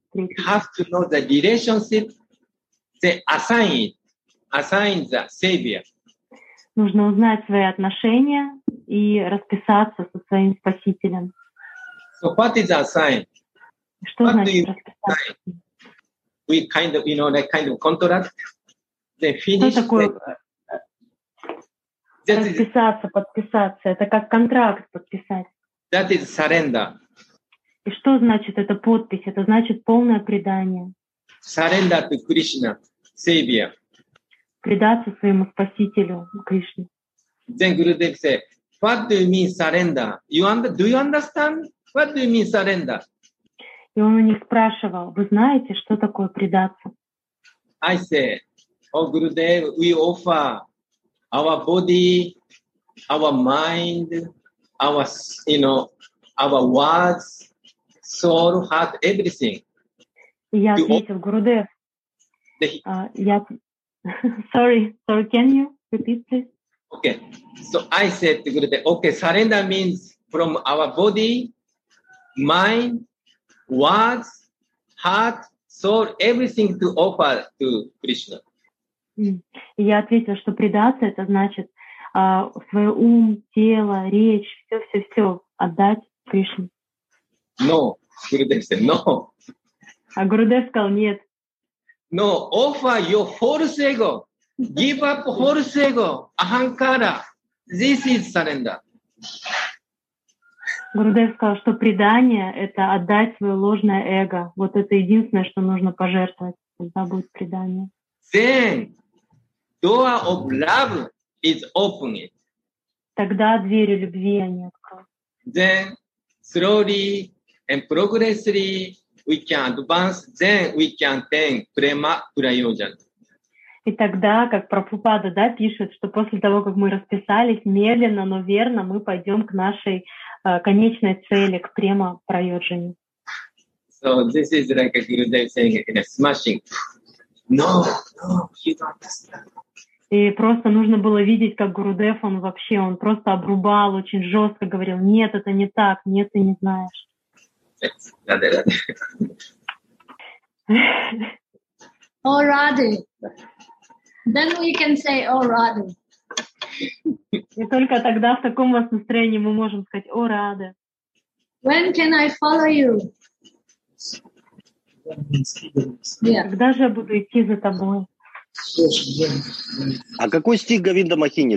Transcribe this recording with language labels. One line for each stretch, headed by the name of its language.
English: You have to know the relationship, the assigned, assigned the savior.
Russian: Нужно узнать свои отношения и расписаться со своим спасителем.
English: So what is assigned?
Russian: Что
English: what
Russian: значит расписаться?
English: We kind of, you know, like kind of contract. They finish.
Russian: Что такое?
English: That
Russian: расписаться,
English: is...
Russian: подписаться. Это как контракт подписать.
English: That is surrender.
Russian: И что значит эта подпись? Это значит полное предание.
English: Surrender to Krishna, savior.
Russian: Предаться своему спасителю Кришне.
English: Then Gurudev say, what do you mean surrender? You under, do you understand? What do you mean surrender?
Russian: И он у них спрашивал, вы знаете, что такое предаться?
English: I say, oh Gurudev, we offer our body, our mind, our, you know, our words, soul, heart, everything.
Russian: И я ответил, Гурудев, я...
English: Sorry, can you repeat, please? Okay, so I said to Gurudev, okay, surrender means from our body, mind, words, heart, soul, everything to offer to Krishna.
Russian: И я ответил, что предаться, это значит свой ум, тело, речь, все-все-все отдать Кришне.
English: No, Gurudev said, no.
Russian: А Гурудев сказал, нет.
English: No, offer your false ego. Give up false ego, ahankara. This is surrender.
Russian: Гурудев сказал, что предание — это отдать свое ложное эго. Вот это единственное, что нужно пожертвовать. Тогда будет предание.
English: Then, door of love is opened.
Russian: Тогда двери любви они откроют.
English: Then, slowly and progressively, we can advance, then we can attain prema prayojan.
Russian: И тогда, как Прабхупада, да, пишет, что после того, как мы расписались, медленно, но верно, мы пойдем к нашей конечной цели, к према прайоджане.
English: So this is like a Gurudev saying in a smashing. No, no, you don't understand.
Russian: И просто нужно было видеть, как Гурудев, он вообще, он просто обрубал, очень жестко говорил, нет, это не так, нет, ты не знаешь. О, Раде.
English: Then we can say, о, Раде.
Russian: И только тогда в таком вас настроении мы можем сказать, о, Раде.
English: When can I follow you?
Russian: Когда же я буду идти за тобой? А какой стих Говинда Махини?